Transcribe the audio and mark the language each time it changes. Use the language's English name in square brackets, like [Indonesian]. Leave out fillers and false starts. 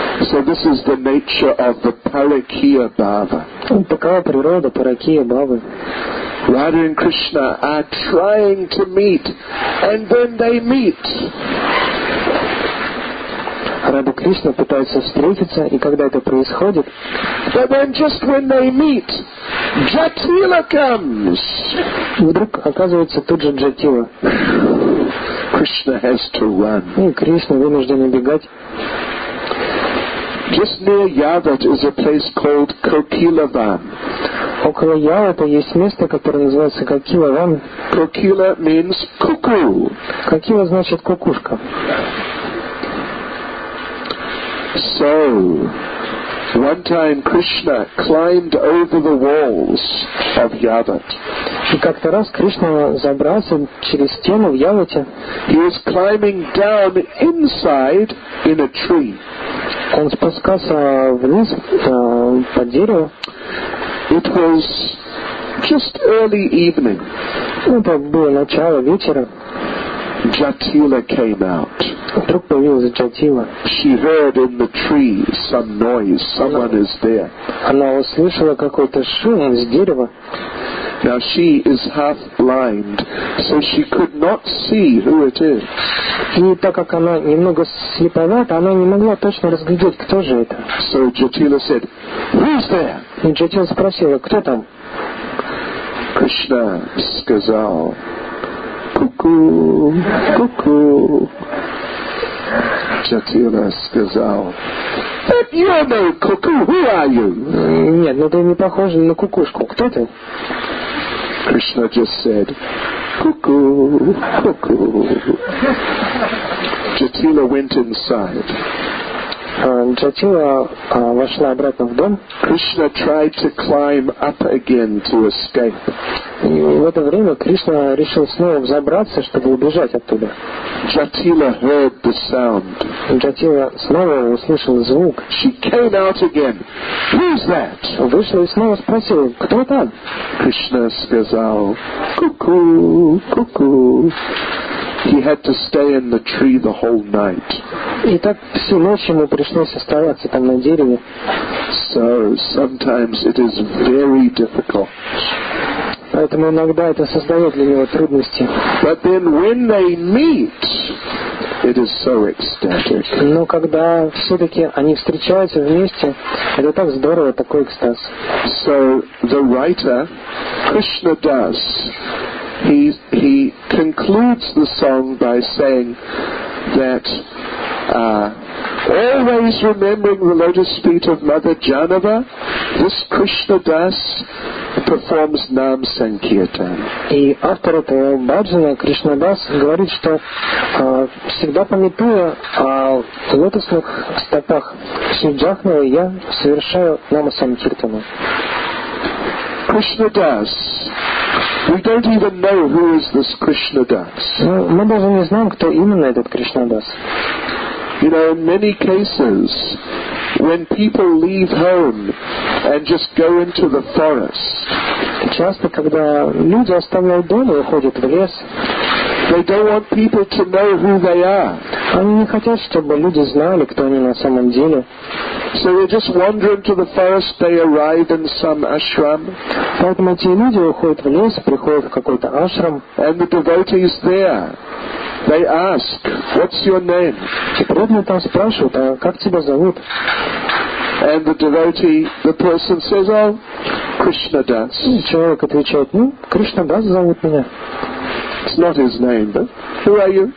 [English] So this is the nature of the Parakeya Bhava. [Russian] Такова природа Паракия Бхавы. [English] Radha and Krishna are trying to meet, and then they meet. [Russian] Прабху Кришна пытаются встретиться, и когда это происходит, [English] but then just when they meet, Jatila comes. [Russian] Вдруг оказывается тут же Джатила. [English] Krishna has to run. [Russian] И Кришна вынужден убегать. [English] Just near Yavat is a place called Kokilavan. [Russian] Около Яваты есть место, которое называется Кокилаван. Кокила means cuckoo. Кокила значит кукушка. [English] So, one time Krishna climbed over the walls of Yavat. [Russian] И как-то раз Кришна забрался через стену в Яваты. [English] He was climbing down inside in a tree. [Russian] Он спускался вниз по дереву. [English] It was just early evening. [Russian] Это было начало вечера. [English] Jatila came out. [Russian] Вдруг появилась Джатила. [English] She heard in the tree some noise. Someone is there. [Russian] Она услышала какой-то шум с дерева. [English] Now she is half blind, so she could not see who it is. [Russian] И так как она немного слеповата, она не могла точно разглядеть, кто же это. [English] So Jatila said, "Who's there?" [Russian] И Джатила спросила, кто там? Кришна сказал, ку-ку, ку-ку. [English] Джатила [Russian] сказал, [English] but you're no cuckoo, who are you? [Russian] Нет, ну ты не похож на кукушку, кто ты? [English] Krishna just said, cuckoo, cuckoo. Jatila went inside. [Russian] Джатила вошла обратно в дом. [English] Krishna tried to climb up again to escape. [Russian] И в это время Кришна решил снова взобраться, чтобы убежать оттуда. [English] Jatila heard the sound. [Russian] Джатила снова услышала звук. [English] She came out again. Who's that? [Russian] Вышла и снова спросила, кто там? Krishna сказал, ку-ку, ку-ку. [English] He had to stay in the tree the whole night. [Russian] И так всю ночь ему пришлось оставаться там на дереве. [English] So sometimes it is very difficult. [Russian] Поэтому иногда это создает для него трудности. [English] But then when they meet, it is so ecstatic. [Russian] Но когда все-таки они встречаются вместе, это так здорово, такой экстаз. [English] So the writer Krishna Das, he concludes the song by saying that always remembering the lotus feet of Mother Janava, this Krishna Das performs Nam Sankirtan. [Russian] И автор этого баджана Кришна Дас говорит, что всегда помню о лотосных стопах Сиджахнавы, я совершаю Нам Сангхиртану. [English] Krishna Das. We don't even know who is this Krishna Das. [Russian] Мы даже не знаем, кто именно этот Кришна Дас. [English] You know, in many cases, when people leave home and just go into the forest, [Russian] часто когда люди оставляют дом и уходят в лес, [English] they don't want people to know who they are. [Russian] Они не хотят, чтобы люди знали, кто они на самом деле. [English] So they just wander into the forest. They arrive in some ashram. [Russian] Поэтому эти люди уходят в лес, приходят в какой-то ашрам. [English] And the devotee is there. They ask, "What's your name?" [Russian] И преданные там спрашивают, а как тебя зовут? [English] And the devotee, the person says, "Oh, Krishna Das." [Russian] И человек отвечает, ну, Кришна Дас зовут меня. [English] It's not his name, but who are you?